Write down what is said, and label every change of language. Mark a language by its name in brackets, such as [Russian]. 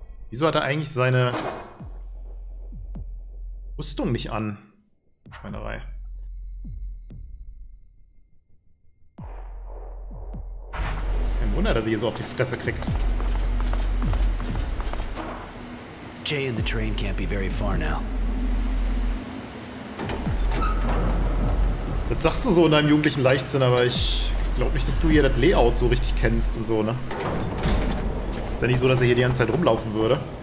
[German] Wieso hat er eigentlich seine Rüstung nicht an? Schweinerei. Kein Wunder, dass er hier so auf die Fresse kriegt. [English] Jay and the train can't be very far now. [German] Das sagst du so in deinem jugendlichen Leichtsinn, aber ich glaube nicht, dass du hier das Layout so richtig kennst und so, ne? Ist ja nicht so, dass er hier die ganze Zeit rumlaufen würde.